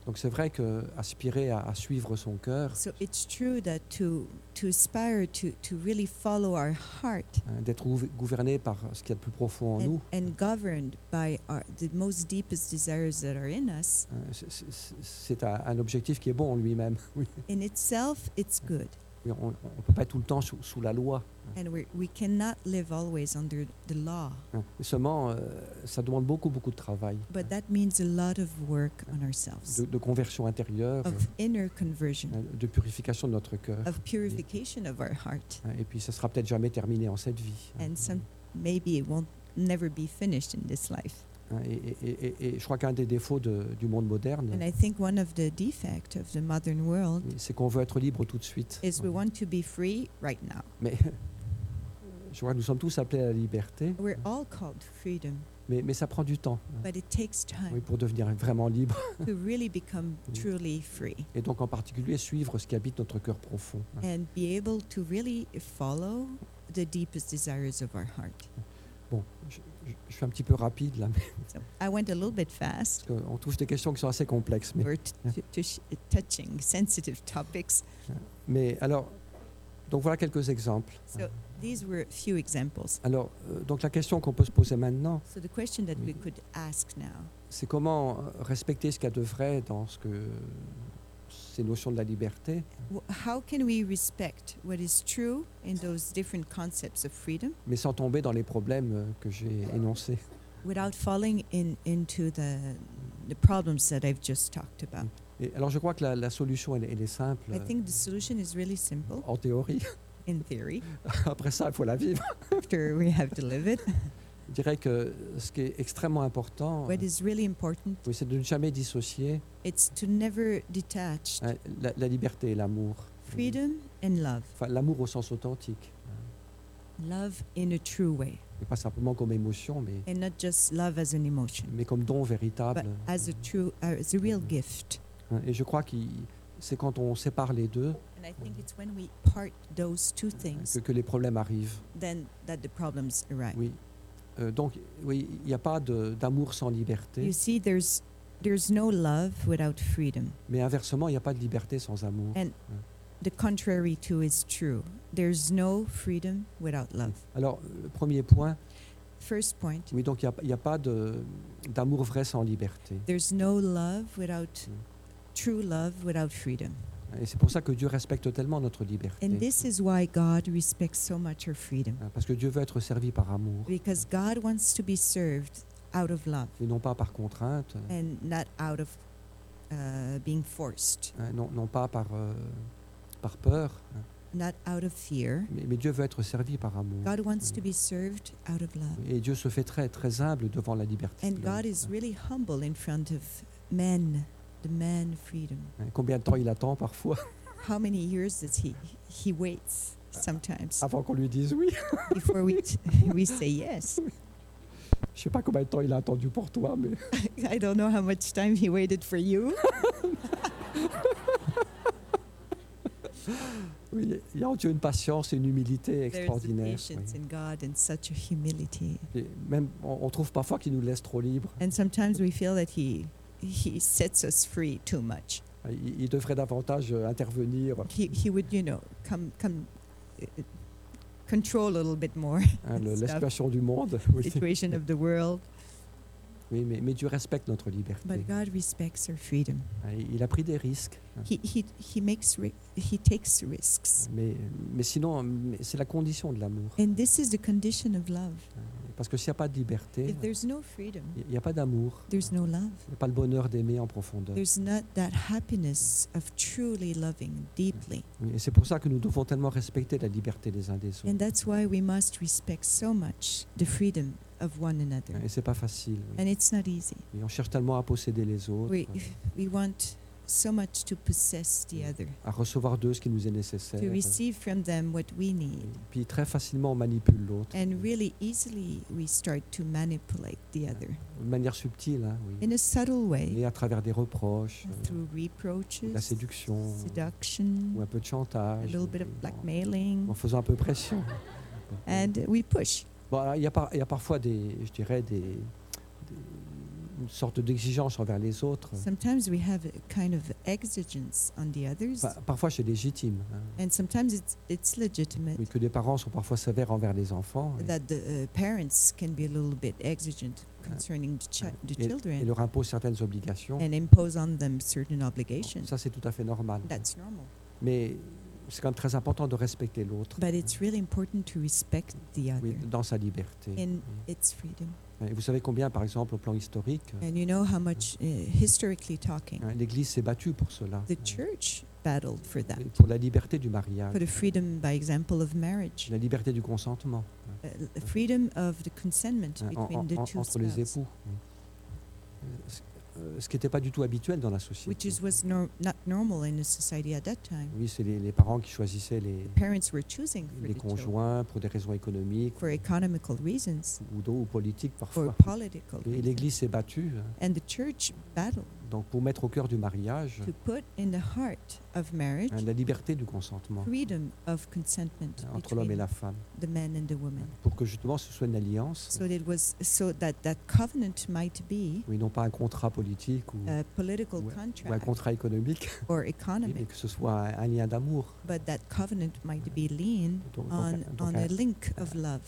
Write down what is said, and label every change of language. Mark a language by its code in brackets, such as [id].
[fr] Donc c'est vrai que aspirer à suivre son cœur. [en] So it's true that to aspire to really follow our heart. [fr] D'être gouverné par ce qu'il y a de plus profond en nous. [en] And governed by the most deepest desires that are in us. [fr] C'est un objectif qui est bon en lui-même. [en] In itself, it's good. [fr] On ne peut pas être tout le temps sous la loi. [en] And we cannot live always under the law. [fr] Seulement, ça demande beaucoup de travail. [en] But that means a lot of work on ourselves. [fr] De conversion intérieure. [en] Of inner conversion. [fr] De purification de notre cœur. [en] Of purification of our heart. [fr] Et puis, ça ne sera peut-être jamais terminé en cette vie. [en] And maybe it won't never be finished in this life. [fr] Et je crois qu'un des défauts du monde moderne, [en] and I think one of the defects of the modern world, [fr] c'est qu'on veut être libre tout de suite. [en] Is we want to be free right now. [fr] Mais je crois que nous sommes tous appelés à la liberté. [en] We're all called freedom. [fr] Mais ça prend du temps. [en] But it takes time. [fr] Oui, pour devenir vraiment libre. [en] To really become truly free. [fr] Et donc en particulier suivre ce qui habite notre cœur profond. [en] And be able to really follow the deepest desires of our heart. [fr] Bon. Je suis un petit peu rapide là. [en] So, I went a little bit fast. [fr] On touche des questions qui sont assez complexes. Mais [en] we're touching sensitive topics. [fr] Mais alors, donc voilà quelques exemples. [en] So, these were a few examples. [fr] Alors, donc la question qu'on peut se poser maintenant, [en] so the question that we could ask now, [fr] c'est comment respecter ce qu'il y a de vrai dans ce que ces notions de la liberté. [en] How can we respect what is true in those different concepts of freedom? [fr] Mais sans tomber dans les problèmes que j'ai énoncés. [en] Without falling into the problems that I've just talked about. [fr] Et alors je crois que la solution elle est simple. [en] I think the solution is really simple. [fr] En théorie. [en] In theory. [fr] Après ça, il faut la vivre. [en] After we have to live it. [fr] Je dirais que ce qui est extrêmement important, [en] really important, [fr] oui, c'est de ne jamais dissocier la liberté et l'amour. [en] Freedom and love. [fr] Enfin, l'amour au sens authentique. [en] Love in a true way. [fr] Et pas simplement comme émotion, mais. [en] And not just love as an emotion. [fr] Mais comme don véritable. [en] But as a true, as a real gift. [fr] Et je crois que c'est quand on sépare les deux. [en] And I think it's when we part those two things. [fr] Que les problèmes arrivent. [en] Then that the problems arrive. [fr] Oui. Donc, oui, il n'y a pas d'amour sans liberté. [en] You see, there's no love without freedom. [fr] Mais inversement, il n'y a pas de liberté sans amour. [en] And the contrary too is true. There's no freedom without love. [fr] Alors, le premier point. [en] First point. [fr] Oui, donc il n'y a pas d'amour vrai sans liberté. [en] There's no love without true love without freedom. [fr] Et c'est pour ça que Dieu respecte tellement notre liberté. [en] And this is why God respects so much our freedom. [fr] Parce que Dieu veut être servi par amour. [en] Because God wants to be served out of love. [fr] Et non pas par contrainte. [en] And not out of being forced. [fr] Non pas par peur. [en] Not out of fear. [fr] Mais Dieu veut être servi par amour. [en] God wants to be served out of love. [fr] Et Dieu se fait très très humble devant la liberté. [en] And God is really humble in front of men. The man freedom. [fr] Combien de temps il attend parfois? [en] How many years does he waits sometimes? [fr] Avant qu'on lui dise oui. [en] Before we say yes. [fr] Je sais pas combien de temps il a attendu pour toi, mais. [en] I don't know how much time he waited for you. [fr] Oui, il y a en Dieu une patience et une humilité extraordinaires. [en] There's a patience in God and such a humility. [fr] Et même on trouve parfois qu'il nous laisse trop libre. [en] And sometimes we feel that he sets us free too much. [fr] Il devrait davantage intervenir. [en] He would, you know, come control a little bit more. [fr] La situation du monde. [en] The situation of the world. [fr] Oui, mais Dieu respecte notre liberté. [en] But God respects our freedom. [fr] Il a pris des risques. [en] He takes risks. [fr] Mais sinon, c'est la condition de l'amour. [en] And this is the condition of love. [fr] Parce que s'il n'y a pas de liberté, [en] if there's no freedom, [fr] il n'y a pas d'amour. [en] There's no love. [fr] Il n'y a pas le bonheur d'aimer en profondeur. [en] There's not that happiness of truly loving deeply. [fr] Et c'est pour ça que nous devons tellement respecter la liberté des uns des autres. [en] And that's why we must respect so much the freedom of one another. [fr] Et c'est pas facile. Oui. [en] And it's not easy. [fr] Et on cherche tellement à posséder les autres. [en] We want so much to possess the other. [fr] À recevoir d'eux ce qui nous est nécessaire. [en] To receive from them what we need. [fr] Puis très facilement on manipule l'autre. [en] And really easily we start to manipulate the other. [fr] De manière subtile, hein, oui. [en] In a subtle way. [fr] Et à travers des reproches. [en] Through reproaches. [fr] La séduction. [en] Seduction. [fr] Ou un peu de chantage. [en] A little bit of blackmailing. [fr] En faisant un peu pression. [en] And we push. [fr] Bon, il y a parfois une sorte d'exigence envers les autres. [en] Sometimes we have a kind of exigence on the others. [fr] Parfois c'est légitime. [en] And sometimes it's legitimate. [fr] Oui, que les parents sont parfois sévères envers les enfants. [en] That the parents can be a little bit exigent concerning the children. [fr] Et leur impose certaines obligations. [en] And impose on them certain obligations. [fr] Ça c'est tout à fait normal. [en] That's normal. [fr] Mais c'est quand même très important de respecter l'autre. [en] But it's really important to respect the other. [fr] Oui, dans sa liberté. [en] In its freedom. [fr] Et vous savez combien, par exemple, au plan historique, [en] and you know how much, historically talking, [fr] l'Église s'est battue pour cela. [en] The church battled for that. [fr] Pour la liberté du mariage. [en] For the freedom, by example, of marriage. [fr] La liberté du consentement. [en] Freedom of the consentment between the two [fr] entre les époux. Ce qui n'était pas du tout habituel dans la société. [en] Which was not normal in the society at that time. [fr] Oui, c'est les parents qui choisissaient les. [en] The parents were choosing for [fr] les conjoints pour des raisons économiques. [en] For economical reasons. [fr] Ou politiques parfois. [en] For political reasons. [fr] Et l'Église s'est battue. [en] And the church battled. [fr] Donc pour mettre au cœur du mariage. [en] To put in the heart of marriage. [fr] La liberté du consentement. [en] Freedom of consentment. [fr] Entre l'homme et la femme. [en] The man and the woman. [fr] Pour que justement ce soit une alliance. [en] So it was so that covenant might be. [fr] Oui, non pas un contrat politique ou un contrat économique. [en] Or economic. [fr] Mais que ce soit un lien d'amour. [en] But that covenant might be lean on a link of love.